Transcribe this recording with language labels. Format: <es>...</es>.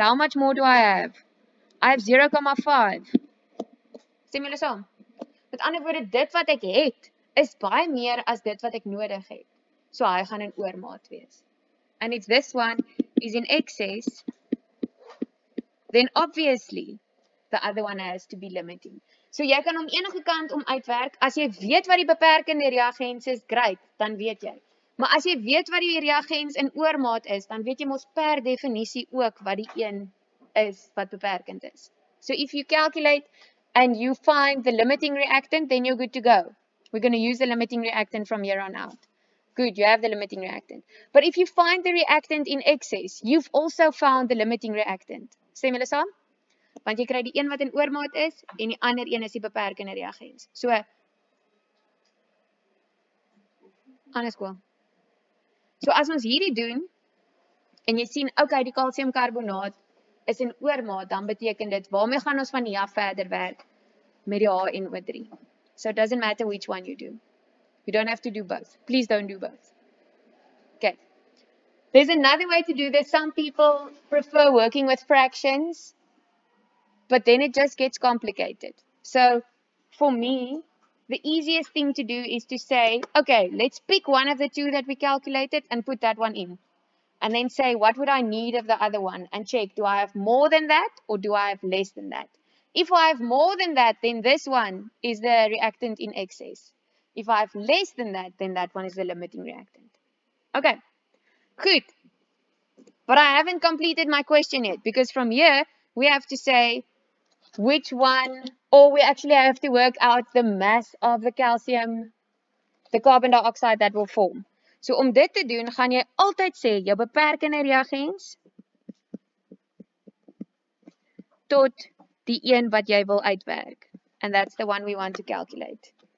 <en>How much more do I have? I have 0.5.</en> <af>Stem julle saam? Met ander woorde, dit wat ek het, is baie meer as dit wat ek nodig het. So hy gaan in oormaat wees.</af> <en>And if this one is in excess, then obviously the other one has to be limiting.</en> <af>So jy kan hom enige kant om uitwerk. As jy weet wat die beperkende reagens is, great, dan weet jy. Maar as jy weet wat die reagens in oormaat is, dan weet jy mos per definisie ook wat die een is wat beperkend is.</af> <en>So if you calculate and you find the limiting reactant, then you're good to go. We're going to use the limiting reactant from here on out. Good, you have the limiting reactant. But if you find the reactant in excess, you've also found the limiting reactant.</en> <af>Stem hulle saam? Want jy kry die een wat in oormaat is, en die ander een is die beperkende reagens. So, anders kwal. So as ons hierdie doen, en jy sien, okay, die kalsiumkarbonaat is in oormaat, dan beteken dit, waarmee gaan ons van hier af verder werk met die HNO3?</af> <en>So it doesn't matter which one you do. You don't have to do both. Please don't do both. Okay. There's another way to do this. Some people prefer working with fractions, but then it just gets complicated. So for me, the easiest thing to do is to say, okay, let's pick one of the two that we calculated and put that one in. And then say, what would I need of the other one? And check, do I have more than that or do I have less than that? If I have more than that, then this one is the reactant in excess. If I have less than that, then that one is the limiting reactant. Okay, good. But I haven't completed my question yet, because from here, we have to say which one, or we actually have to work out the mass of the calcium, the carbon dioxide that will form.</en> <af>So om dit te doen, gaan jy altyd sê, jou beperkende reagens tot die een wat jy wil uitwerk.</af> <en>And that's the one we want to calculate.</en>